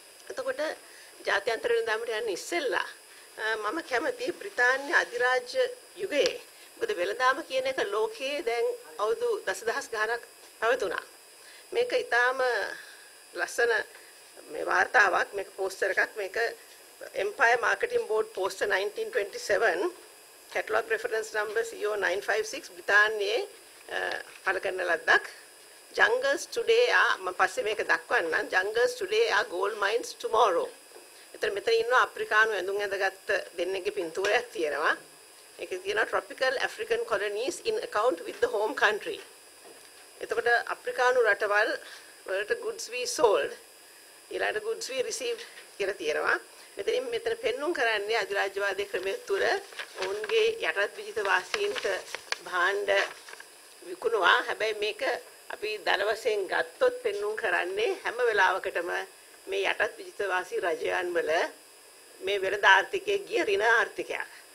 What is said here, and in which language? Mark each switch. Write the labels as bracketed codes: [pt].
[si] එතකොට ජාත්‍යන්තර වෙළඳාමට යන්න ඉස්සෙල්ලා මම කැමති බ්‍රිතාන්‍ය අධිරාජ්‍ය යුගයේ, මොකද වෙළඳාම කියන එක ලෝකයේ දැන් අවුරුදු දසදහස් ගණනක් පැවතුණා. මේක ඉතාම ලස්සන මේ වார்த்தාවක්, මේක පෝස්ටර් එකක්, මේක Empire Marketing Board Poster 1927 Catalog Reference Number CO 956 බ්‍රිතාන්‍යයේ පළ කරන ලද්දක්. [en] Jungles Today are, [si] මම පස්සේ මේක දක්වන්නම්, [en] Jungles Today are Gold Mines Tomorrow. [si] මෙතන ඉන්න අප්‍රිකානු ඇඳුම් ඇඳගත් දෙන්නෙක්ගේ පින්තූරයක් තියෙනවා. ඒකේ තියෙනවා [en] Tropical African Colonies in Account with the Home Country. [si] එතකොට අප්‍රිකානු රටවල් වලට [en] goods we sold, [si] ඊළඟට [en] goods we received [si] කියලා තියෙනවා. මෙතනින් මෙතන පෙන්නුම් කරන්නේ අධිරාජ්‍යවාදී ක්‍රමය තුළ ඔවුන්ගේ යටත් විජිත වාසීන්ට භාණ්ඩ විකුණුවා. හැබැයි මේක අපි ධන වශයෙන් ගත්තොත් පෙන්නුම් කරන්නේ හැම වෙලාවකටම මේ යටත් විජිතවාසී රජයන් වල මේ වෙළඳ ආර්ථිකයේ ගිය ඍණ ආර්ථිකයක්.